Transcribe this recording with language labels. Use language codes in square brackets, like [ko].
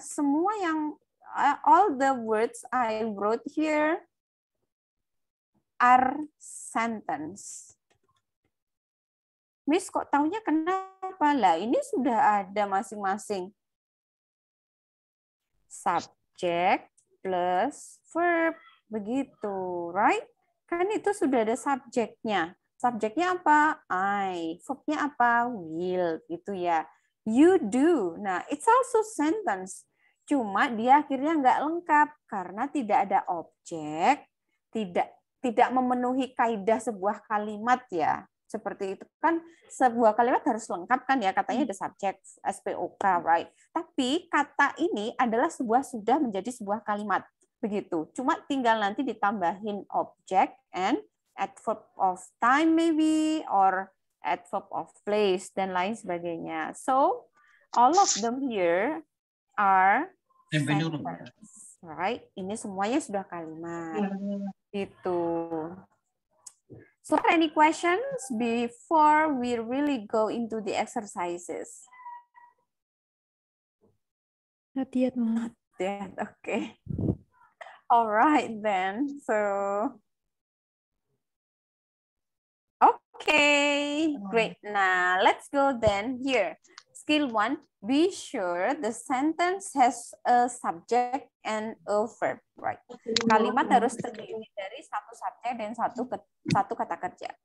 [id] Semua yang [en] all the words I wrote here are sentence. [id] Miss, kok taunya kenapa lah? Ini sudah ada masing-masing. [en] Subject plus verb. [id] Begitu, [en] right? [id] Kan itu sudah ada subjeknya. Subjeknya apa? I. Verbnya apa? Will. Gitu ya. [en] You do. Nah, it's also sentence. [id] Cuma dia akhirnya nggak lengkap. Karena tidak ada objek. Tidak memenuhi kaidah sebuah kalimat ya. Seperti itu kan sebuah kalimat harus lengkap kan ya. Katanya ada subject, SPOK, [en] right? [id] Tapi kata ini adalah sebuah sudah menjadi sebuah kalimat. Begitu. Cuma tinggal nanti ditambahin objek [en] and adverb of time maybe or adverb of place [id] dan lain sebagainya. [en] So all of them here are sentence, right? [id] Ini semuanya sudah kalimat. Gitu. [en] So any questions before we really go into the exercises? Not yet, Mom. Not yet. Okay. All right then. So okay, great. Now let's go then here. Skill one, be sure the sentence has a subject and a verb, right? [id] Kalimat harus terdiri dari satu subjek dan satu kata kerja.